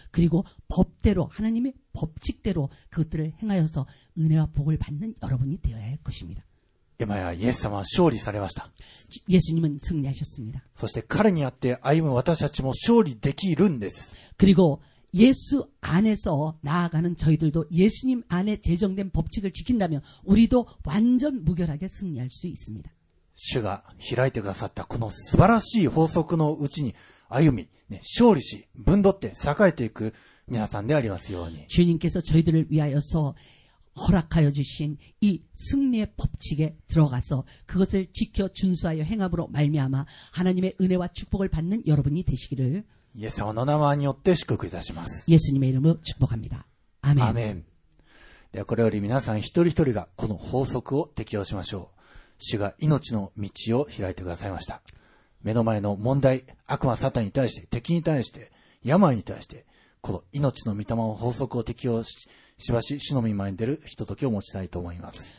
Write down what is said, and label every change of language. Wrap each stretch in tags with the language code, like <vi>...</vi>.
<ko>그리고법대로、하나님의법칙대로그것들을행하여서은혜와복을받는여러분이되어야할것입니다。</ko> <ja>今やイエス様は勝利されました。</ja> <ko>イエス님은승리하셨습니다。</ko> <ja>そして彼にあって歩む私たちも勝利できるんです。</ja> <ko>그리고イエス안에서나아가는저희들도イエス님안에제정된법칙을지킨다면우리도완전무결하게승리할수있습니다。</ko> <ja>主が開いてくださったこの素晴らしい法則のうちに歩み、ね、勝利し、ぶんどって栄えていく皆さんでありますように。</ja> <ko>주님께서저희들을위하여서허락하여주신이승리의법칙에들어가서그것을지켜준수하여행함으로말미암아하나님의은혜와축복을받는여러분이되시기를 예수님의이름으로축복합니다 예수님의이름으로축복합니다아멘아멘</ko> <ja>ではこれより皆さん一人一人がこの法則を適用しましょう主が命の道を開いてくださいました目の前の問題悪魔サタンに対して敵に対して病に対してこの命の御霊の法則を適用ししばし主の御前に出るひとときを持ちたいと思います。</ja>